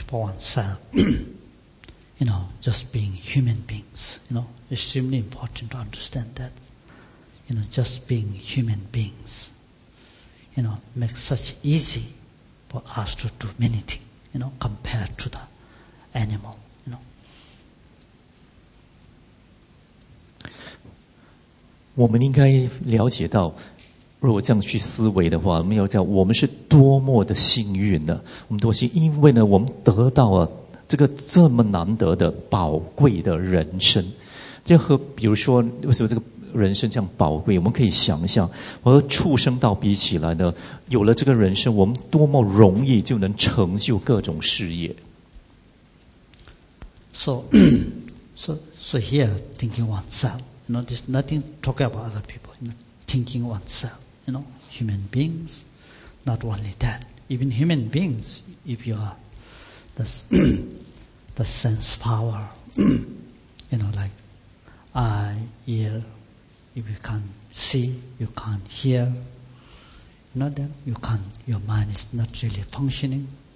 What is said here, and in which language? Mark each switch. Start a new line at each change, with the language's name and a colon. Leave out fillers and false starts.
English: For oneself, you know, just being human beings, you know, extremely important to understand that, you know, just being human beings, you know, makes such easy for us to do many things, you know, compared to the animal, you know.
Chinese: 我们应该了解到如果这样去思维的话，我们要讲我们是多么的幸运呢？我们多幸运，因为呢，我们得到了这个这么难得的宝贵的人生。就和比如说，为什么这个人生这样宝贵？我们可以想象，和畜生道比起来呢，有了这个人生，我们多么容易就能成就各种事业。
English: So here thinking oneself, you know, there's nothing talking about other people, you know, thinking oneself. You know, human beings, not only that. Even human beings, if you are the sense power, you know, like eye, ear, if you can't see, you can't hear, you know, then you can't, your mind is not really functioning.